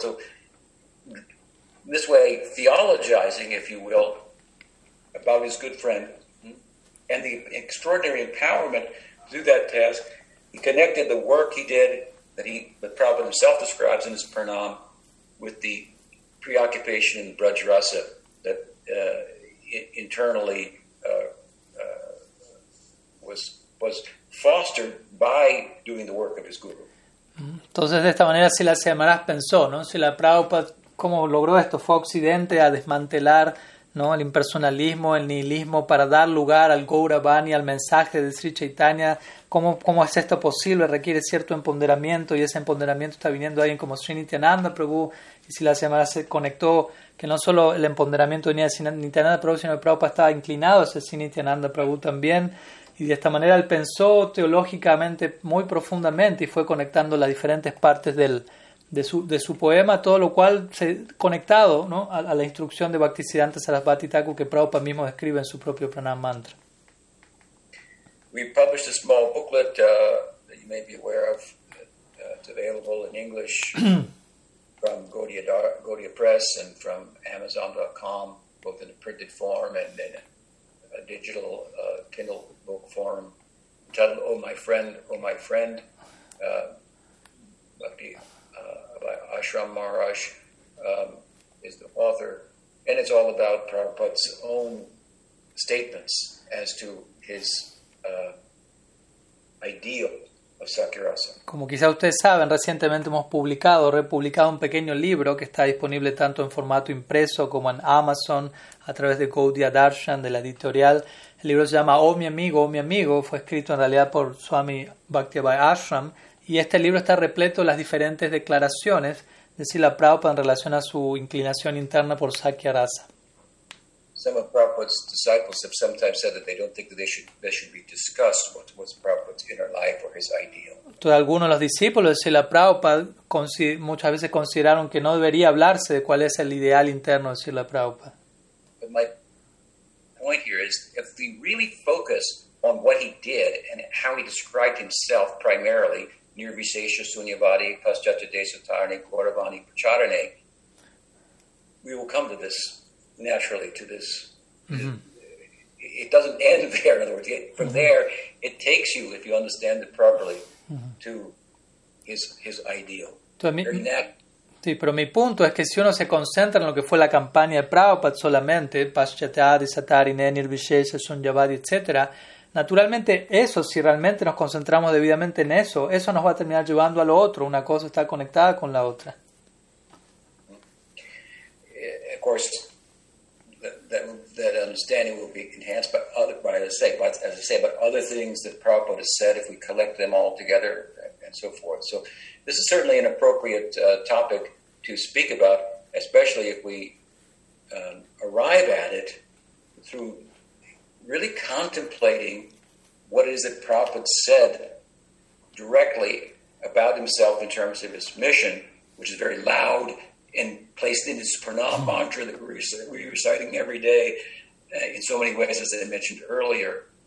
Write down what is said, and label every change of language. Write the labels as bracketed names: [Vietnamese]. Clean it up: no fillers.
[English] So this way, theologizing, if you will, about his good friend, and the extraordinary empowerment to do that task, he connected the work he did, that Prabhupada himself describes in his Pranam, with the preoccupation in Braj Rasa that internally was fostered by doing the work of his guru. [Spanish] Entonces, de esta manera, Srila Siamaras pensó, ¿no? Srila Prabhupada, ¿cómo logró esto? Fue Occidente a desmantelar, ¿no?, el impersonalismo, el nihilismo, para dar lugar al Gauravani, al mensaje de Sri Chaitanya. ¿Cómo es esto posible? Requiere cierto empoderamiento, y ese empoderamiento está viniendo de alguien como Sri Nityananda Prabhu. Y si la semana se conectó, que no solo el empoderamiento venía de Sri Nityananda Prabhu, sino que Prabhupada estaba inclinado hacia Sri Nityananda Prabhu también. Y de esta manera él pensó teológicamente muy profundamente y fue conectando las diferentes partes de su poema, todo lo cual se conectado, ¿no?, a la instrucción de Bhaktisiddhanta Sarasvati Thakur que Prabhupada mismo describe en su propio Pranama-mantra. [English] We published a small booklet that you may be aware of. It's available in English from Gaudiya Press and from Amazon.com, both in a printed form and in a digital Kindle book form, titled "Oh My Friend, Oh My Friend," by Ashram Maharaj is the author, and it's all about Prabhupada's own statements as to his ideal of Sakyarasa. [Spanish] Como quizá ustedes saben, recientemente hemos publicado, republicado un pequeño libro que está disponible tanto en formato impreso como en Amazon a través de Gaudiya Darshan, de la editorial. El libro se llama Oh, mi amigo, oh, mi amigo. Fue escrito en realidad por Swami Bhaktivai Ashram. Y este libro está repleto de las diferentes declaraciones de Srila Prabhupada en relación a su inclinación interna por Sakyarasa. [English] Some of Prabhupada's disciples have sometimes said that they don't think that they should be discussed what was Prabhupada's inner life or his ideal. [Spanish] Entonces, algunos de los discípulos de Srila Prabhupada muchas veces consideraron que no debería hablarse de cuál es el ideal interno de Srila Prabhupada. [English] But my point here is, if we really focus on what he did and how he described himself primarily, Nirvisesha Sunyavadi, Paschata Desatarne, Kauravani, Pracharane, we will come to this naturally, to this. Mm-hmm. It doesn't end there, in other words. From there, it takes you, if you understand it properly, to his ideal. [Spanish] Sí, pero mi punto es que si uno se concentra en lo que fue la campaña de Prabhupada solamente, Paschatadi, Satarine, Nirvishesha, Sunyavadi, etc., naturalmente eso, si realmente nos concentramos debidamente en eso, eso nos va a terminar llevando a lo otro. Una cosa está conectada con la otra. [English] Of course, that understanding will be enhanced by other things that Prabhupada said, if we collect them all together and so forth. So this is certainly an appropriate topic to speak about, especially if we arrive at it through really contemplating what it is that Prabhupada said directly about himself in terms of his mission, which is very loud and placed in his Pranama mantra that we're reciting every day in so many ways, as I mentioned earlier.